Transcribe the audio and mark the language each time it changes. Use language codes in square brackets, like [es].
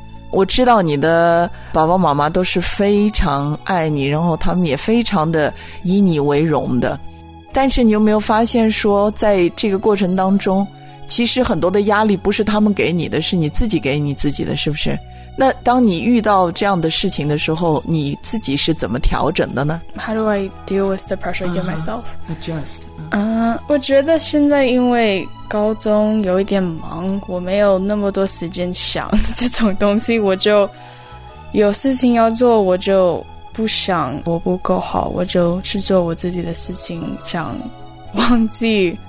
[zh] 我知道你的爸爸妈妈都是非常爱你，然后他们也非常的以你为荣的，但是你有没有发现说在这个过程当中其实很多的压力不是他们给你的，是你自己给你自己的，是不是？那当你遇到这样的事情的时候，你自己是怎么调整的呢？ [en] How do I deal with the pressure against myself? Adjust. [zh] 我觉得现在因为高中有一点忙，我没有那么多时间想这种东西，我就有事情要做，我就不想我不够好，我就去做我自己的事情，想忘记。